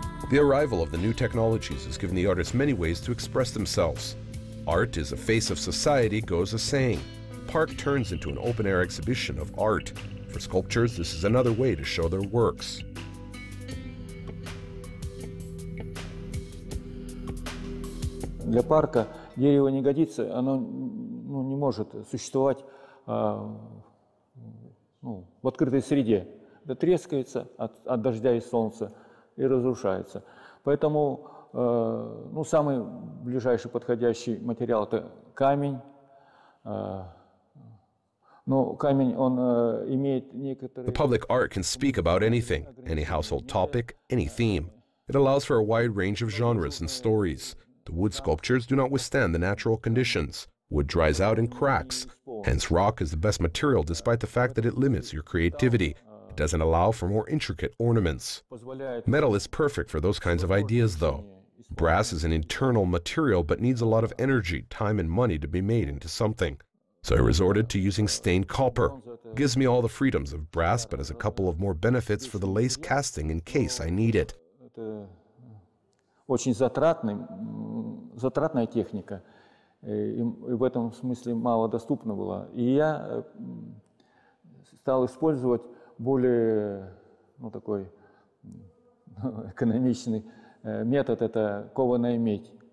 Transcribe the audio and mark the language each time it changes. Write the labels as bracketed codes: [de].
[en] The arrival of the new technologies has given the artists many ways to express themselves. Art is a face of society, goes a saying. The park turns into an open-air exhibition of art. For sculptures, this is another way to show their works. [ru] Для парка дерево не годится, оно не может существовать в открытой среде. Да трескается от дождя и солнца. И разрушается. Поэтому самый ближайший подходящий материал – это камень. Но камень, он имеет некоторые… [en] The public art can speak about anything, any household topic, any theme. It allows for a wide range of genres and stories. The wood sculptures do not withstand the natural conditions. Wood dries out and cracks. Hence, rock is the best material despite the fact that it limits your creativity. Doesn't allow for more intricate ornaments. Metal is perfect for those kinds of ideas, though. Brass is an internal material but needs a lot of energy, time, and money to be made into something. So I resorted to using stained copper. Gives me all the freedoms of brass but has a couple of more benefits for the lace casting in case I need it. [ru] Очень затратная техника, и в этом смысле мало доступно было. И я стал использовать более, такой экономичный метод – это кованая медь.